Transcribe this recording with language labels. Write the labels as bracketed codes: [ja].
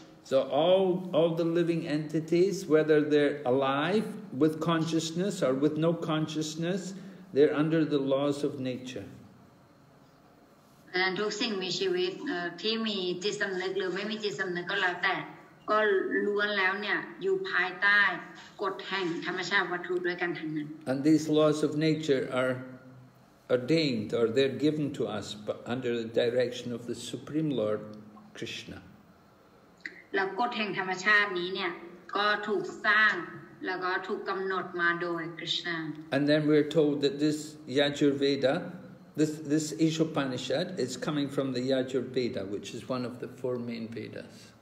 [en] So all the living entities, whether they're alive with consciousness or with no consciousness, they're under the laws of nature. And [th] ทุกสิ่งมีชีวิตที่มีจิตสำนึกหรือไม่มีจิตสำนึกก็แล้วแต่ ก็ล้วนแล้วเนี่ยอยู่ภายใต้กฎแห่งธรรมชาติวัตถุด้วยกันทั้งนั้น [en] And these laws of nature are ordained or they're given to us under the direction of the Supreme Lord Krishna [th] แล้วกฎแห่งธรรมชาตินี้เนี่ยก็ถูกสร้างแล้วก็ถูกกำหนดมาโดย Krishna [en] And then we're told that this Yajurveda This Ishopanishad is coming from the Yajur Veda, which is one of the four main Vedas.